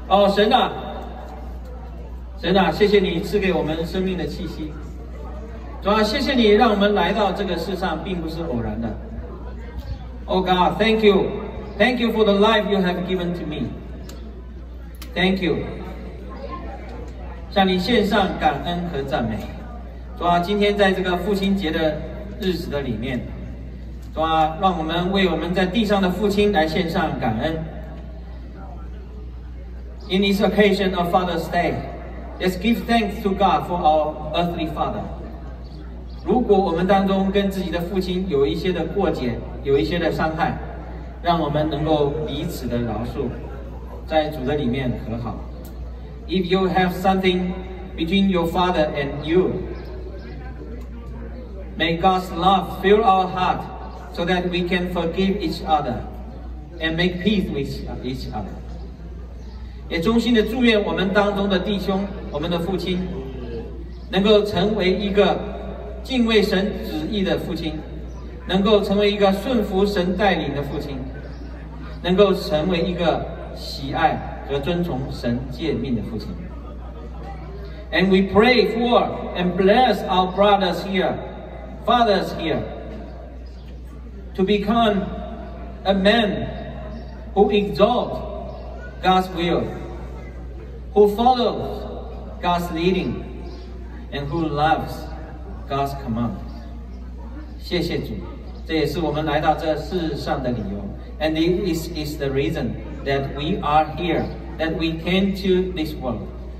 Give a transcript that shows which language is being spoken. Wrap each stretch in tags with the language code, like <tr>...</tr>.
<zh>神啊，神啊，谢谢你赐给我们生命的气息，主啊，谢谢你让我们来到这个世上并不是偶然的。</zh> <en>Oh God, thank you. Thank you for the life you have given to me. Thank you.</en> <zh>向你献上感恩和赞美，主啊，今天在这个父亲节的日子的里面，主啊，让我们为我们在地上的父亲来献上感恩。</zh> <en>In this occasion of Father's Day, let's give thanks to God for our earthly father.</en> <zh>如果我们当中跟自己的父亲有一些的过节，有一些的伤害，让我们能够彼此的饶恕，在主的里面和好。</zh> <en>If you have something between your father and you, may God's love fill our heart so that we can forgive each other and make peace with each other.</en> <zh>也衷心的祝愿我们当中的弟兄，我们的父亲能够成为一个敬畏神旨意的父亲，能够成为一个顺服神带领的父亲，能够成为一个喜爱要遵从神诫命的父亲。</zh> <en>And we pray for and bless our brothers here, fathers here, to become a man who exalts God's will, who follows God's leading, and who loves God's command.</en> <zh>谢谢主，这也是我们来到这世上的理由。</zh> <en>And this is the reason that we are here, that we came to this world.</en>